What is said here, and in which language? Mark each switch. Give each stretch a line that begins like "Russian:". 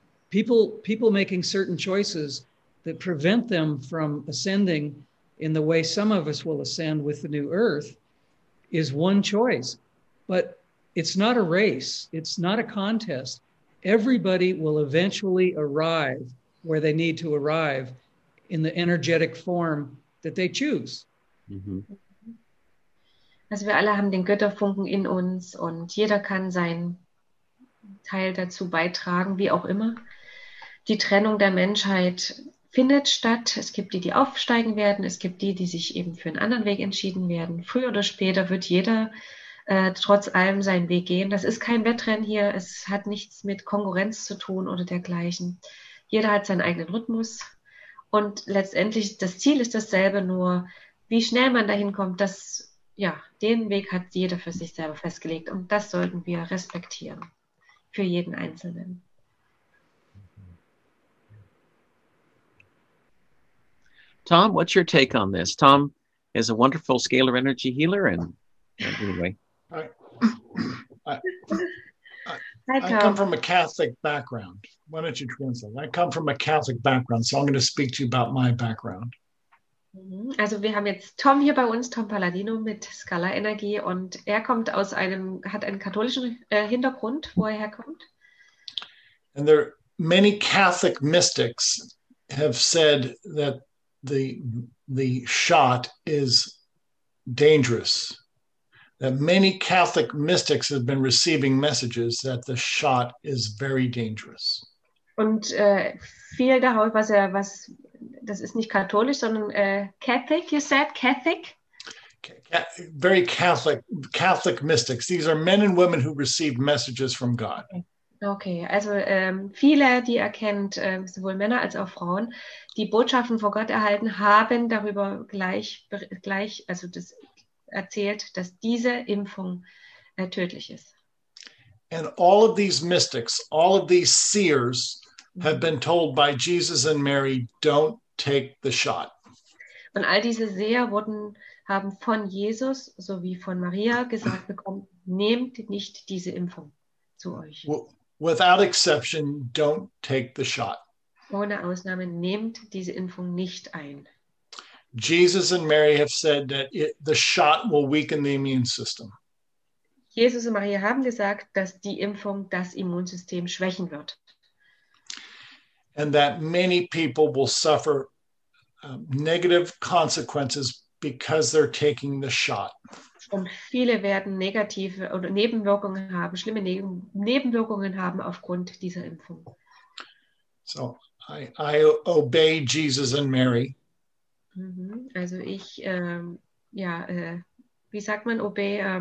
English: People making certain choices that prevent them from ascending in the way some of us will ascend with the new Earth is one choice, but it's not a race. It's not a contest. Everybody will eventually arrive where they need to arrive in the energetic form that they choose. Mm-hmm.
German: Also, wir alle haben den Götterfunken in uns und jeder kann seinen Teil dazu beitragen, wie auch immer. Die Trennung der Menschheit findet statt. Es gibt die, die aufsteigen werden. Es gibt die, die sich eben für einen anderen Weg entschieden werden. Früher oder später wird jeder trotz allem seinen Weg gehen. Das ist kein Wettrennen hier. Es hat nichts mit Konkurrenz zu tun oder dergleichen. Jeder hat seinen eigenen Rhythmus. Und letztendlich, das Ziel ist dasselbe, nur wie schnell man dahin kommt, das, ja, den Weg hat jeder für sich selber festgelegt. Und das sollten wir respektieren für jeden Einzelnen.
English: Tom, what's your take on this? Tom is a wonderful scalar energy healer and anyway. I come from a Catholic background. Why don't you translate? I come from a Catholic background, so I'm going to speak to you about my background.
German: Also, wir haben jetzt Tom hier bei uns, Tom Palladino mit Scala Energie, und er kommt aus einem, hat einen katholischen Hintergrund, wo er herkommt.
English: And there many Catholic mystics have said that the shot is dangerous. That many Catholic mystics have been receiving messages that the shot is very dangerous.
German: Und viel darauf, was das ist nicht katholisch, sondern Catholic,
English: you said,
German: Catholic?
English: Very Catholic mystics. These are men and women who receive messages from God.
German: Okay, also viele, die erkennt, sowohl Männer als auch Frauen, die Botschaften von Gott erhalten, haben darüber gleich, also das erzählt, dass diese Impfung tödlich ist.
English: And all of these mystics, all of these seers have been told by Jesus and Mary, don't take the shot.
German: Und all diese Seher haben von Jesus sowie von Maria gesagt bekommen, nehmt nicht diese Impfung zu euch.
English: without exception, don't take the shot.
German: Ohne Ausnahme, nehmt diese Impfung nicht ein.
English: Jesus and Mary have said that the shot will weaken the immune system.
German: Jesus und Maria haben gesagt, dass die Impfung das Immunsystem schwächen wird.
English: And that many people will suffer negative consequences because they're taking the shot.
German: Und viele werden negative oder Nebenwirkungen haben, schlimme Nebenwirkungen haben aufgrund dieser Impfung.
English: So, I obey Jesus and Mary.
German: Also ich, wie sagt man, obey?